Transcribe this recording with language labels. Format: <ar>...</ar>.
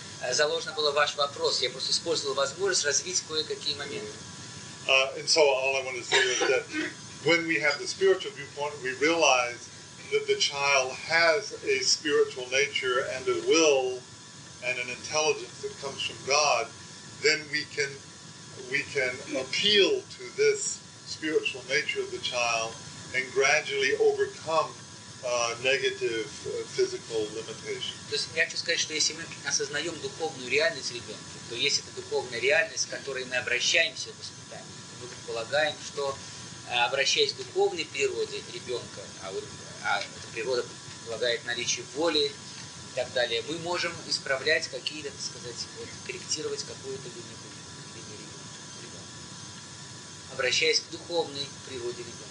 <ru>Заложено было ваш вопрос. Я просто использовал возможность развить кое-какие моменты.</ru> <en>And so all I want to say is that when we have the spiritual viewpoint, we realize that the child has a spiritual nature and a will and an intelligence that comes from God, then we can appeal to this spiritual nature of the child and gradually overcome negative physical limitations.</en> <ru>То есть я хочу сказать, что если мы осознаем духовную реальность ребенка, то есть это духовная реальность, к которой мы обращаемся в воспитании, мы предполагаем, что обращаясь к духовной природе ребенка, эта природа предполагает наличие воли и так далее, мы можем исправлять какие-то, так сказать, вот, корректировать какую-то линию ребенка, обращаясь к духовной природе ребенка.</ru>